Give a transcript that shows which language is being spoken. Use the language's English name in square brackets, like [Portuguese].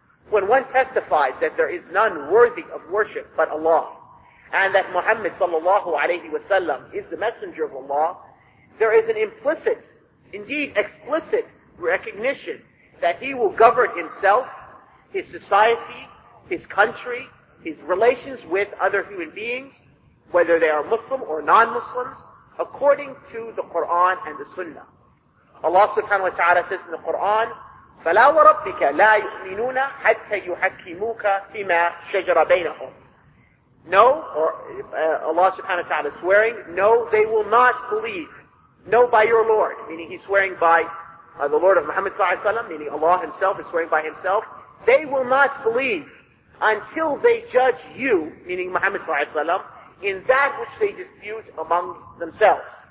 [English] When one testifies that there is none worthy of worship but Allah, and that Muhammad sallallahu alayhi wa sallam is the messenger of Allah, there is an implicit, indeed explicit, recognition that he will govern himself, his society, his country, his relations with other human beings, whether they are Muslim or non-Muslims, according to the Quran and the Sunnah. Allah subhanahu wa ta'ala says in the Quran, [Arabic] فَلَا وَرَبِّكَ لَا يُؤْمِنُونَ حَتَّى يُحَكِّمُوكَ فِيمَا شَجَرَ بَيْنَهُمْ. [English] No, or Allah subhanahu wa ta'ala is swearing, no, they will not believe. No, by your Lord, meaning he's swearing by the Lord of Muhammad sallallahu alayhi wa sallam, meaning Allah himself is swearing by himself, they will not believe until they judge you, meaning Muhammad sallallahu alayhi wa sallam, in that which they dispute among themselves.